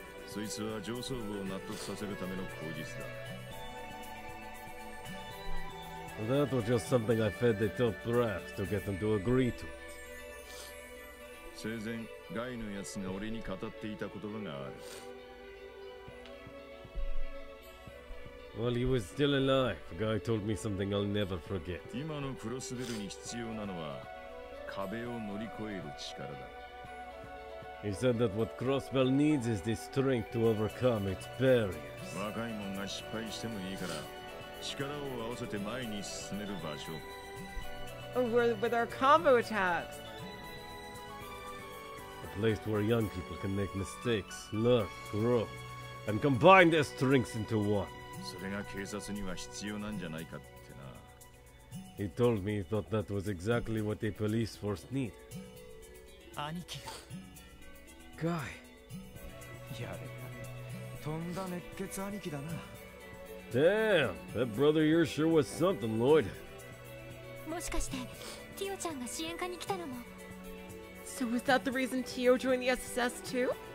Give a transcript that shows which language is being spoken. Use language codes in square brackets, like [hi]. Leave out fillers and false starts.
[ja] そいつは上層部を納得させるための口実だ。 [en] That was just something I fed the top brass to get them to agree to it. [ja] 生前、ガイのやつが俺に語っていた言葉がある。 [en] While he was still alive, Guy told me something I'll never forget. [ja] 今のクロスベルに必要なのは壁を乗り越える力だ。 [en] He said that what Crossbell needs is the strength to overcome its barriers. [ja] 若い者が失敗してもいいから、力を合わせて前に進める場所。 [en] Oh, we're with our combo attacks! A place where young people can make mistakes, learn, grow, and combine their strengths into one. [ja] それが警察には必要なんじゃないかってな。 [en] He told me he thought that was exactly what a police force needed. [ja] 兄貴。 Guy。やれやれ。とんだ熱血兄貴だな。 [en] Damn! That brother you're sure was something, Lloyd. [ja] もしかして、ティオちゃんが支援課に来たのも。 [en] So is that the reason Tio joined the SSS too?